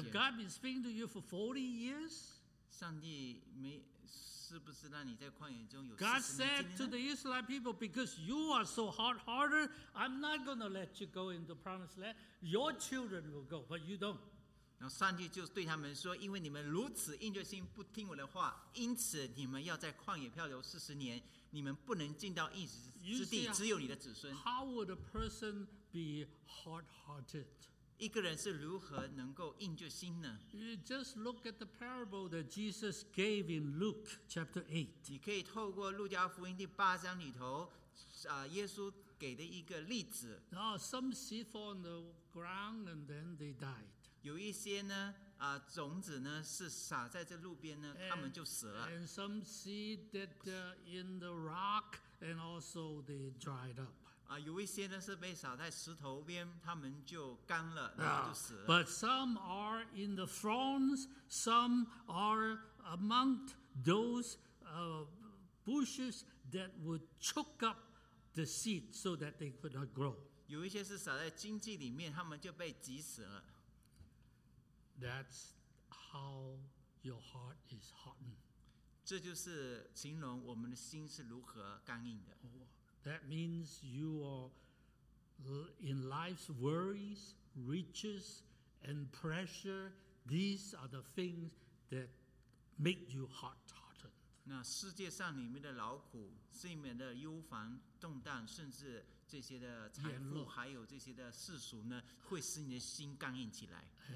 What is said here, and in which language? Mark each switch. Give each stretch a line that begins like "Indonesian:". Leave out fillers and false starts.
English: Have God been speaking to you for 40 years?
Chinese: 上帝没。是不是让你在旷野中有
English: God said to the Israelite people, because you are so hard-hearted, I'm not going to let you go into the promised land. Your children will go, but you don't.
Chinese: 然后上帝就对他们说，因为你们如此硬着心不听我的话，因此你们要在旷野漂流四十年，你们不能进到应许之地，只有你的子孙。
English: How would a person be hard-hearted?
Chinese: 一个人是如何能够硬着心呢？
English: You just look at the parable that Jesus gave in Luke chapter 8.
Chinese: 你可以透过路加福音第八章里头，耶稣给的一个例子。
English: Oh, some seed fall on the ground and then they died.
Chinese: 有一些呢，种子呢是撒在这路边呢，他们就死了。
English: And some seed that in the rock and also they dried up.
Chinese: 有一些呢是被撒在石头边，他们就干了，然后就死了。
English: But some are in the thorns, some are among those bushes that would choke up the seed so that they could not grow.
Chinese: 有一些是撒在荆棘里面，他们就被挤死了。
English: That's how your heart is hardened.
Chinese: 这就是形容我们的心是如何刚硬的。
English: That means you are in life's worries, riches, and pressure. These are the things that make you hard-hearted.
Chinese: 那世界上里面的劳苦，里面的忧烦动荡，甚至这些的财富，还有这些的世俗呢，会使你的心刚硬起来。